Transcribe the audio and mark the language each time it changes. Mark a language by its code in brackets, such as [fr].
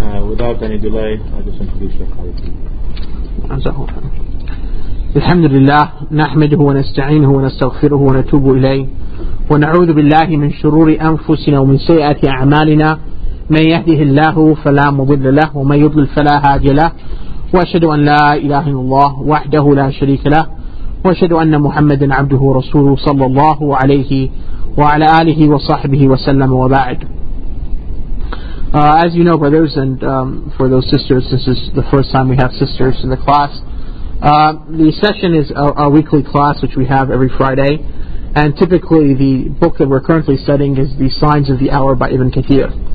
[en] Without any delay, I'll just introduce your colleague. [ar] الحمد لله نحمده ونستعينه ونستغفره ونتوب إليه ونعوذ بالله من شرور أنفسنا ومن سيئات أعمالنا من يهده الله فلا مضل له ومن يضلل فلا هادي له وأشهد أن لا إله إلا الله وحده لا شريك له وأشهد أن محمدا عبده ورسوله صلى الله عليه وعلى آله وصحبه وسلم وبعد. [en] As you know, brothers, and for those sisters, this is the first time we have sisters in the class. The session is our weekly class, which we have every Friday, and typically the book that we're currently studying is The Signs of the Hour by Ibn Kathir.